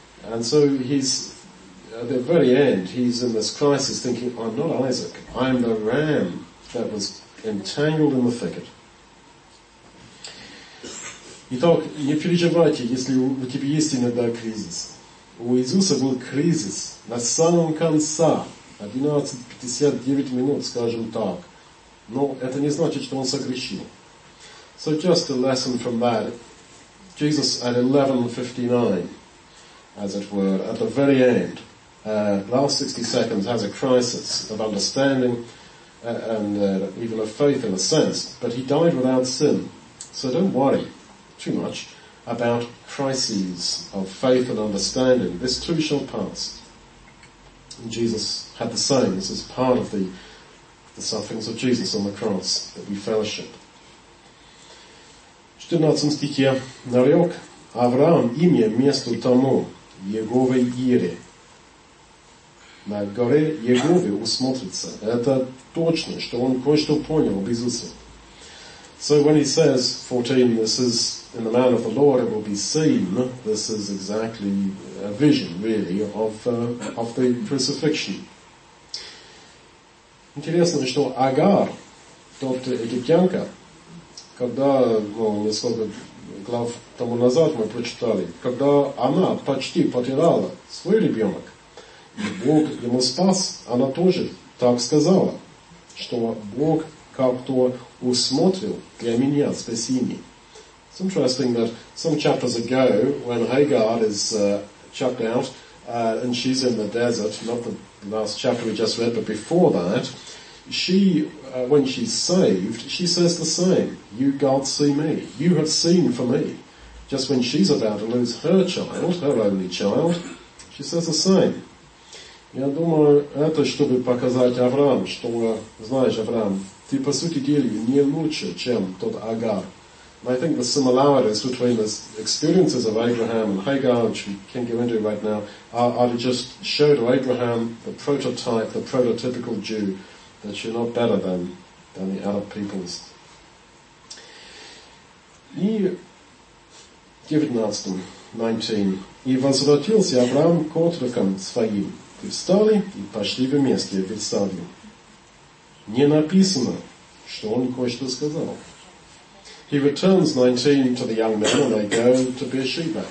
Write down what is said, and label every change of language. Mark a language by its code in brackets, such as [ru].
[en] And so he's at the very end, he's in this crisis thinking, I'm not Isaac, I'm the ram that was entangled in the thicket. [ru] Итак, не переживайте, если у тебя есть иногда кризис. У Иисуса был кризис на самом конце, 11:59 минут, скажем так. Но это не значит, что он согрешил. [en] So just a lesson from that. Jesus at 11:59, as it were, at the very end, last 60 seconds, has a crisis of understanding and even of faith in a sense, but he died without sin. So don't worry too much about crises of faith and understanding. This too shall pass. And Jesus had the same. This is part of the sufferings of Jesus on the cross that we fellowship. [ru] 14 стихе. Нарек Авраам имя месту тому Иегове Ире. На горе Иегове усмотрится. Это точно, что он кое-что понял об Иисусе. [en] So when he says, 14, this is in the mount of the Lord, it will be seen. This is exactly a vision, really, of the crucifixion. [ru] Интересно, что Агар, тот египтянка, когда, ну, несколько глав тому назад мы прочитали, когда она почти потеряла свой ребенок, и Бог ему спас, она тоже так сказала, что Бог как-то усмотрел для меня спасение. [en] It's interesting that some chapters ago, when Hagar is chucked out, and she's in the desert, not the last chapter we just read, but before that, she, when she's saved, she says the same. You, God, see me. You have seen for me. Just when she's about to lose her child, her only child, she says the same. [ru] Я думаю, это чтобы показать Авраам, что, знаешь, Авраам, ты, по сути дела, не лучше, чем тот Агар. [en] And I think the similarities between the experiences of Abraham and Hagar, which we can't go into right now, are to just show to Abraham the prototype, the prototypical Jew, that you're not better than the other peoples. [ru] И 19. И возвратился Авраам к отрокам своим. И встали, и пошли вместе в Бетсавию. Не написано, что он кое-что сказал. [en] He returns, 19, to the young men, and they go to Beersheba.